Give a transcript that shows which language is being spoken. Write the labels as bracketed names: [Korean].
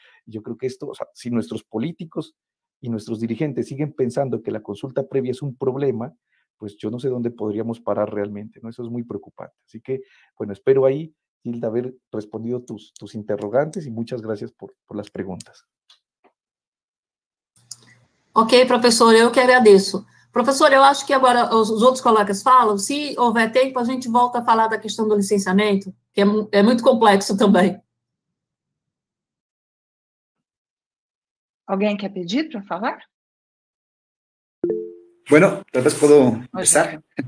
[Spanish] Yo creo que esto, o sea, si nuestros políticos y nuestros dirigentes siguen pensando que la consulta previa es un problema, pues yo no sé dónde podríamos parar realmente, ¿no? Eso es muy preocupante. Así que, bueno, espero ahí, Hilda, haber respondido tus interrogantes y muchas gracias por las preguntas. [Portuguese] Ok, profesor, eu que agradeço. Professor, eu acho que agora os outros colegas falam, se houver tempo, a gente volta a falar da questão do licenciamento, que é muito complexo também. [Spanish] ¿Alguien quiere pedir para hablar? Bueno, tal vez puedo empezar.